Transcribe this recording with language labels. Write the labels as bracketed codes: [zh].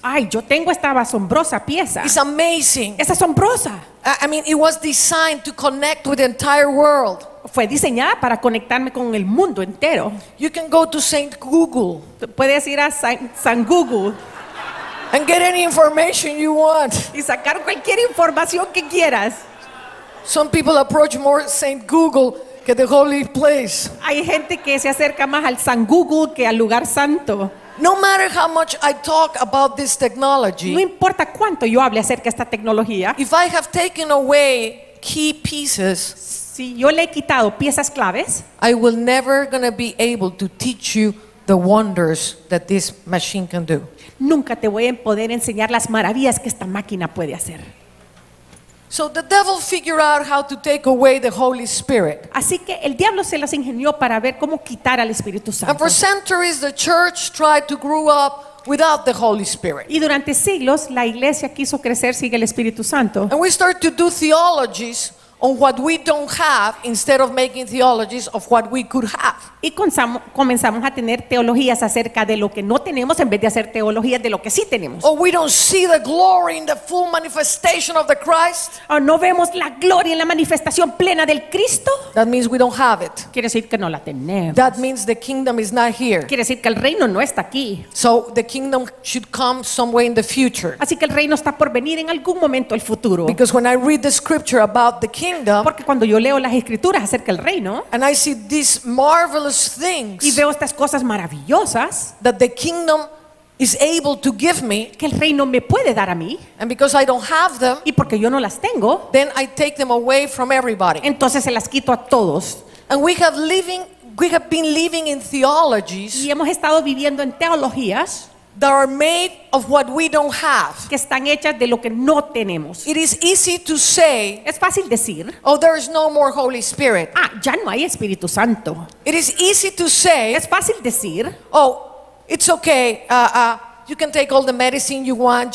[es] Ay, yo tengo esta asombrosa pieza. [en] It's amazing. [es] Es asombrosa. [en] I mean, it was designed to connect with the entire world. [es] Fue diseñada para conectarme con el mundo entero. [en] You can go to Saint Google. [es] Puedes ir a San Google. [en] And get any information you want. [es] Y sacar cualquier información que quieras. [en] Some people approach more Saint Google. [es] Que [en] the holy place. [es] Hay gente que se acerca más al San Google que al lugar santo. [en] No matter how much I talk about this technology. [es] No importa cuánto yo hable acerca de esta tecnología. [en] If I have taken away key pieces, [es] si yo le he quitado piezas claves, [en] I will never gonna be able to teach you the wonders that this machine can do. [es] Nunca te voy a poder enseñar las maravillas que esta máquina puede hacer. [en] So the devil figured out how to take away the Holy Spirit. [es] Así que el diablo se las ingenió para ver cómo quitar al Espíritu Santo. [en] And for centuries the church tried to grow up without the Holy Spirit. [es] Y durante siglos la iglesia quiso crecer sin el Espíritu Santo. [en] And we start to do theologies on what we don't have instead of making theologies of what we could have. [es] Y comenzamos a tener teologías acerca de lo que no tenemos en vez de hacer teologías de lo que sí tenemos. [en] Oh, we don't see the glory in the full manifestation of the Christ. [es] Oh, no vemos la gloria en la manifestación plena del Cristo. [en] That means we don't have it. [es] Quiere decir que no la tenemos. [en] That means the kingdom is not here. [es] Quiere decir que el reino no está aquí. [en] So the kingdom should come somewhere in the future. [es] Así que el reino está por venir en algún momento el futuro. [en] Because when I read the scripture about the kingdom, [es] porque cuando yo leo las escrituras acerca del reino, [en] and I see these marvelous things, [es] y veo estas cosas maravillosas, [en] that the kingdom is able to give me, [es] que el reino me puede dar a mí, [en] and because I don't have them, [es] y porque yo no las tengo, [en] then I take them away from everybody. [es] Entonces se las quito a todos. [en] And we have been living in theologies, [es] y hemos estado viviendo en teologías, [en] that are made of what we don't have, [es] que están hechas de lo que no tenemos. [en] It is easy to say, [es] es fácil decir, [en] oh, there is no more Holy Spirit. [es] Ah, ya no hay Espíritu Santo. [en] It is easy to say, [es] es fácil decir, [en] oh, it's okay, you can take all the medicine you want.